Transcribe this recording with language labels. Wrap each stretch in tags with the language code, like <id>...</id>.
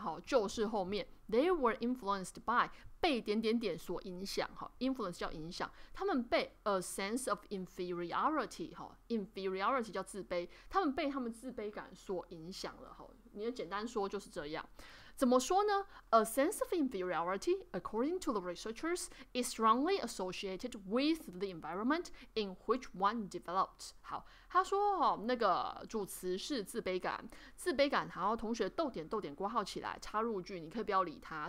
<zh>好，就是后面</zh> <en>they were influenced by</en> <zh>被点点点所影响。好 ，influence 叫影响，他们被</zh> <en>a sense of inferiority，</en> <zh>好 ，inferiority 叫自卑，他们被他们自卑感所影响了。好，你要简单说就是这样。怎么说呢？</zh> <en>A sense of inferiority, according to the researchers, is strongly associated with the environment in which one developed.</en> <zh>好，他说哦，那个主词是自卑感，自卑感，好，同学逗点逗点括号起来，插入句，你可以不要理他。</zh>